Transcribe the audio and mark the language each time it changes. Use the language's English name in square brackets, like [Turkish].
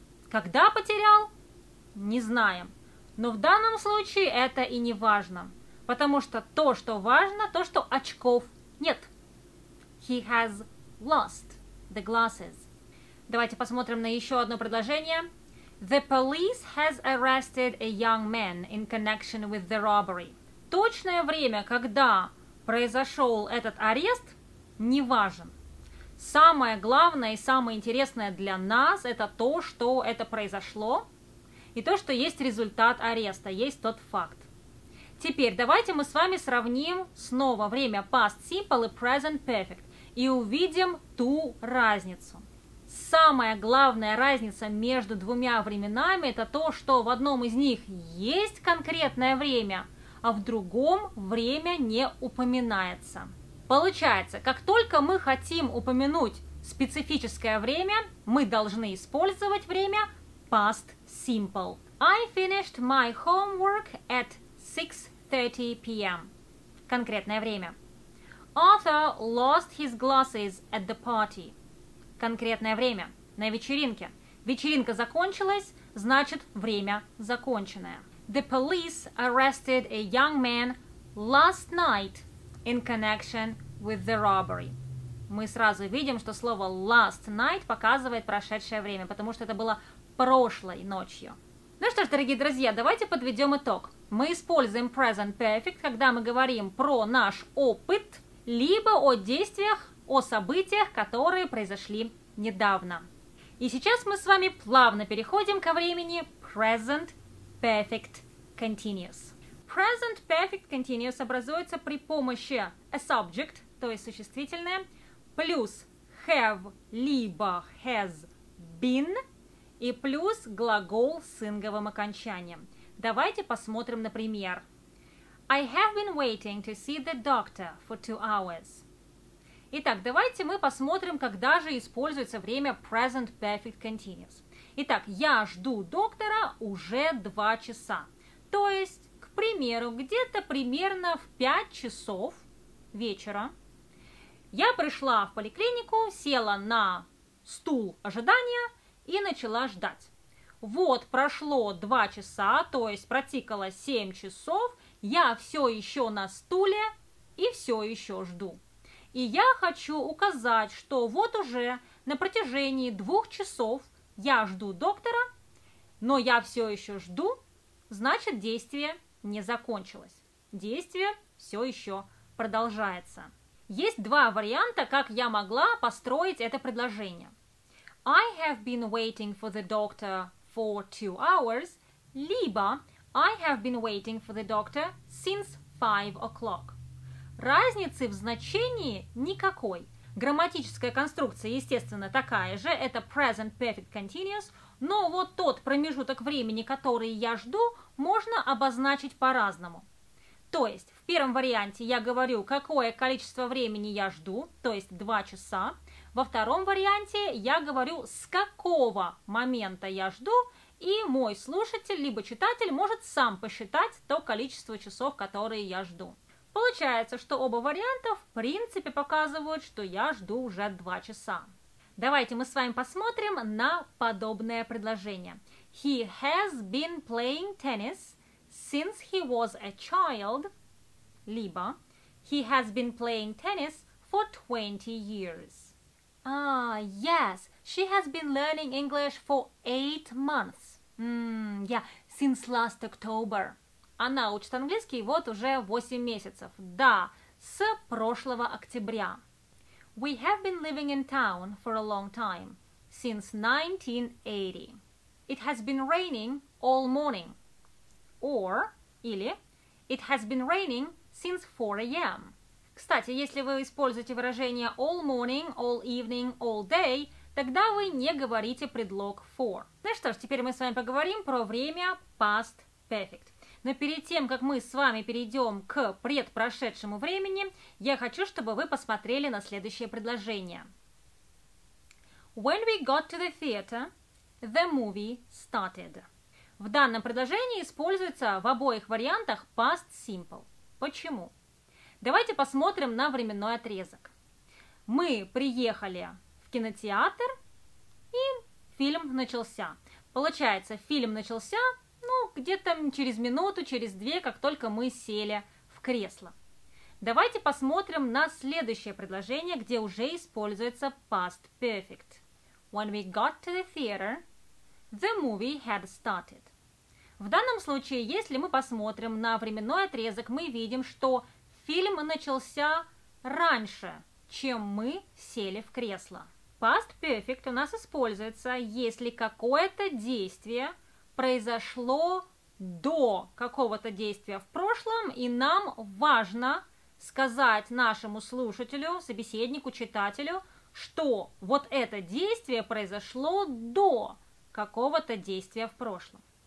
[Russian] Когда потерял? Не знаем. Но в данном случае это и не важно. Потому что то, что важно, то, что очков нет. [English] He has lost the glasses. [Russian] Давайте посмотрим на еще одно предложение. [English] The police has arrested a young man in connection with the robbery. [Russian] Точное время, когда произошел этот арест, не важен. Самое главное и самое интересное для нас – это то, что это произошло, и то, что есть результат ареста, есть тот факт. Теперь давайте мы с вами сравним снова время past simple и present perfect и увидим ту разницу. Самая главная разница между двумя временами – это то, что в одном из них есть конкретное время, а в другом время не упоминается. Получается, как только мы хотим упомянуть специфическое время, мы должны использовать время past simple. [English] I finished my homework at 6:30 p.m. [Russian] Конкретное время. [English] Arthur lost his glasses at the party. [Russian] Конкретное время. На вечеринке. Вечеринка закончилась, значит, время законченное. [English] The police arrested a young man last night in connection with the robbery. [Russian] Мы сразу видим, что слово last night показывает прошедшее время, потому что это было прошлой ночью. Ну что ж, дорогие друзья, давайте подведем итог. Мы используем present perfect, когда мы говорим про наш опыт, либо о действиях, о событиях, которые произошли недавно. И сейчас мы с вами плавно переходим ко времени present perfect continuous. Present perfect continuous образуется при помощи a subject, то есть существительное, плюс have, либо has been, и плюс глагол с инговым окончанием. Давайте посмотрим, например. [English] I have been waiting to see the doctor for 2 hours. [Russian] Итак, давайте мы посмотрим, когда же используется время present perfect continuous. Итак, я жду доктора уже 2 часа. То есть, к примеру, где-то примерно в 5 часов вечера я пришла в поликлинику, села на стул ожидания и начала ждать. Вот прошло 2 часа, то есть протикало 7 часов, я все еще на стуле и все еще жду. И я хочу указать, что вот уже на протяжении 2 часов я жду доктора, но я все еще жду, значит, действие не закончилось. Действие все еще продолжается. Есть 2 варианта, как я могла построить это предложение. [English] I have been waiting for the doctor for 2 hours, [Russian] либо [English] I have been waiting for the doctor since 5 o'clock. [Russian] Разницы в значении никакой. Грамматическая конструкция, естественно, такая же, это present perfect continuous, но вот тот промежуток времени, который я жду, можно обозначить по-разному. То есть, в первом варианте я говорю, какое количество времени я жду, то есть 2 часа. Во втором варианте я говорю, с какого момента я жду, и мой слушатель либо читатель может сам посчитать то количество часов, которые я жду. Получается, что оба варианта в принципе показывают, что я жду уже 2 часа. Давайте мы с вами посмотрим на подобное предложение. [English] He has been playing tennis since he was a child, [Russian] либо [English] he has been playing tennis for 20 years. Yes, she has been learning English for 8 months. Since last October. [Russian] Она учит английский вот уже 8 месяцев. Да, с прошлого октября. [English] We have been living in town for a long time, since 1980. It has been raining all morning. Or, [Russian] или, [English] it has been raining since 4 a.m. [Russian] Кстати, если вы используете выражение all morning, all evening, all day, тогда вы не говорите предлог for. Ну что ж, теперь мы с вами поговорим про время past perfect. Но перед тем, как мы с вами перейдем к предпрошедшему времени, я хочу, чтобы вы посмотрели на следующее предложение. [English] When we got to the theater, the movie started. [Russian] В данном предложении используется в обоих вариантах past simple. Почему? Давайте посмотрим на временной отрезок. Мы приехали в кинотеатр, и фильм начался. Получается, фильм начался, ну, где-то через минуту, через две, как только мы сели в кресло. Давайте посмотрим на следующее предложение, где уже используется past perfect. [English] When we got to the theater, the movie had started. [Russian] В данном случае, если мы посмотрим на временной отрезок, мы видим, что фильм начался раньше, чем мы сели в кресло. Past perfect у нас используется, если какое-то действие произошло до какого-то действия в прошлом, и нам важно сказать нашему слушателю, собеседнику, читателю, что вот это действие произошло до какого-то действия в прошлом.